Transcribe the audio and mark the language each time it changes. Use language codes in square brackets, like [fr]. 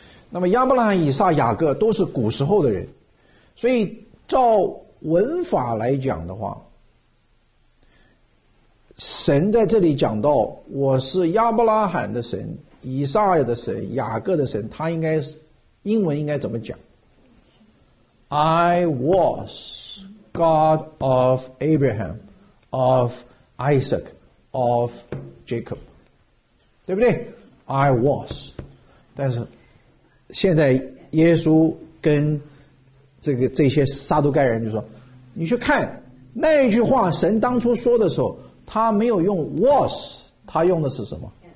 [zh] 那么亚伯拉罕、以撒、雅各都是古时候的人，所以照文法来讲的话，神在这里讲到我是亚伯拉罕的神、以撒的神、雅各的神，他应该英文应该怎么讲？ [en] I was God of Abraham, of Isaac, of Jacob, [zh] 对不对？ [en] I was。 [zh] 但是现在耶稣跟这些撒都盖人就说，你去看那一句话，神当初说的时候他没有用 was， 他用的是什么？